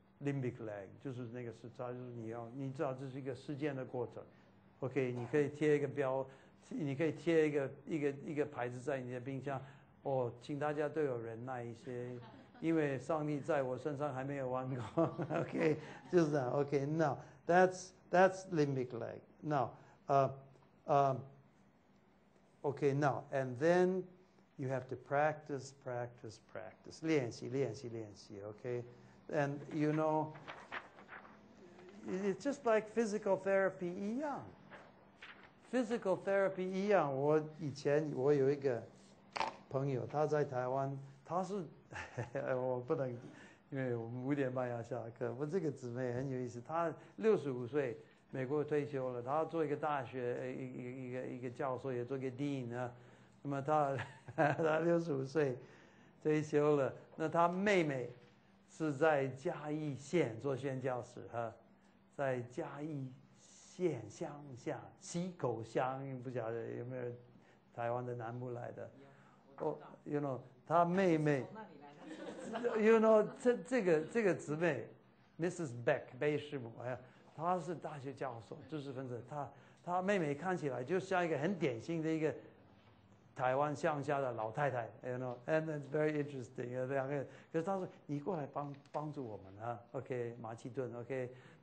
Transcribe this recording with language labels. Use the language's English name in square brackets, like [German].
[Chinese] limbic lag 就是那个是它就是你要你知道这是一个事件的过程 ，OK 你可以贴一个标，你可以贴一个牌子在你的冰箱，哦，请大家都有忍耐一些，因为上帝在我身上还没有完工 ，OK 就是这样 ， [English] OK now that's limbic lag now OK now and then you have to practice [Chinese] 练习 OK。 [English] And you know, it's just like physical therapy [Chinese] 一样。 [English] Physical therapy [Chinese] 一样。我以前我有一个朋友，他在台湾，他是我不能，因为我们五点半要下课。我这个姊妹很有意思，她65岁，美国退休了，她做一个大学一个教授，也做一个 dean 呢。那么她65岁退休了，那她妹妹。是在嘉义县做宣教士哈，在嘉义县乡下溪口乡，不晓得有没有台湾的南部来的。哦 ， [English] you know， [Chinese] 他妹妹，you know， 这个姊妹 ，Mrs. Beck 贝师母，哎呀，她是大学教授，知识分子，她妹妹看起来就像一个很典型的一个。台湾乡下的老太太 ， [English] you know，and it's very interesting， [Chinese] 两个人。可是他说：“你过来帮助我们啊 ，OK， 马其顿 ，OK。”